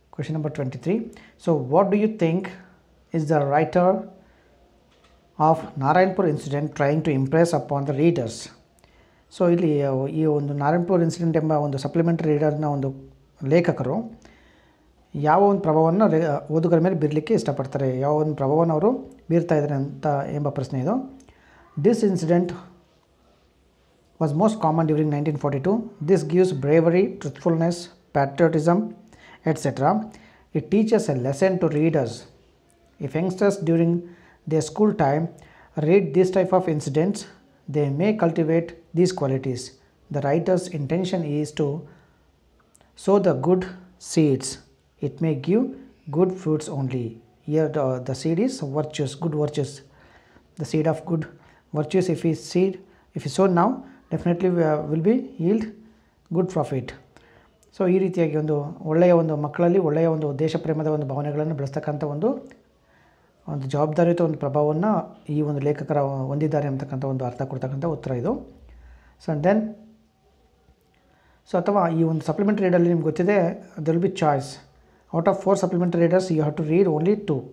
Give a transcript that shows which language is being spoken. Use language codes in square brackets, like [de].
[en] number 23 so what do you think is the writer of Narayanpur incident trying to impress upon the readers [kn] so ಇಲ್ಲಿ ಈ ಒಂದು Narayanpur incident ಎಂಬ ಒಂದು supplementary ರೀಡರ್ನ ಒಂದು ಲೇಖಕರು ಯಾವ ಒಂದು ಪ್ರಭಾವವನ್ನು ಓದುಗರ ಮೇಲೆ ಬೀರಲಿಕ್ಕೆ ಇಷ್ಟಪಡ್ತಾರೆ ಯಾವ ಒಂದು ಪ್ರಭಾವವನ್ನು ಅವರು ಬೀರ್ತಾ ಇದ್ದಾರೆ ಅಂತ ಎಂಬ ಪ್ರಶ್ನೆ ಇದು [en] This incident was most common during 1942 this gives bravery truthfulness patriotism etcetera it teaches a lesson to readers if youngsters during the school time read this type of incidents they may cultivate these qualities. The writer's intention is to sow the good seeds. It may give good fruits only. Here the seed is virtues, good virtues. The seed of good virtues, if we sow now, definitely we will be yield good profit. [kn] So ಈ ರೀತಿಯಾಗಿ ಒಂದು ಒಳ್ಳೆಯ ಒಂದು ಮಕ್ಕಳಲ್ಲಿ ಒಳ್ಳೆಯ ಒಂದು ದೇಶಪ್ರೇಮದ ಒಂದು ಭಾವನೆಗಳನ್ನು ಬೆಳೆಸ್ತಕ್ಕಂಥ ಒಂದು ಜವಾಬ್ದಾರಿಯುತ ಒಂದು ಪ್ರಭಾವವನ್ನು ಈ ಒಂದು ಲೇಖಕರ ಹೊಂದಿದ್ದಾರೆ ಅಂತಕ್ಕಂಥ ಒಂದು ಅರ್ಥ ಕೊಡ್ತಕ್ಕಂಥ ಉತ್ತರ ಇದು. [en] so then so [kn] ಅಥವಾ ಈ ಒಂದು ಸಪ್ಲಿಮೆಂಟ್ರಿ ರೀಡಲ್ಲಿ ನಿಮ್ಗೆ ಗೊತ್ತಿದೆ [en] There'll be choice out of 4 supplementary readers you have to read only 2.